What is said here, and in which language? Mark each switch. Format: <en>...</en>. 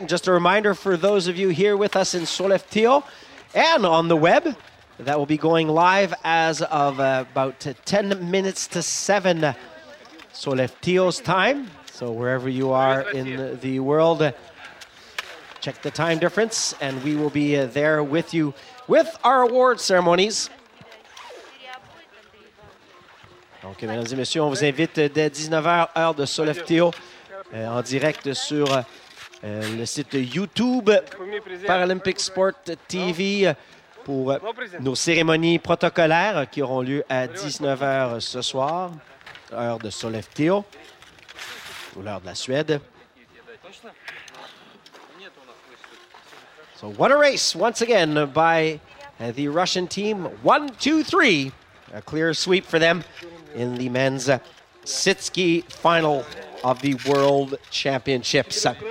<en>And just a reminder for those of you here with us in Solleftea and on the web, that will be going live as of about 10 minutes to 7 Solleftea's time. So wherever you are in the world, check the time difference, and we will be there with you with our award ceremonies.</en> <fr>Donc, mesdames et messieurs, on vous invite dès 19h, heure de Solleftea, en direct sur le site YouTube Paralympic Sport TV pour nos cérémonies protocolaires qui auront lieu à 19h ce soir, heure de Solleftea, ou l'heure de la Suède.</fr> <en>So what a race once again by the Russian team. 1, 2, 3, a clear sweep for them in the men's sit ski final of the World Championships.</en>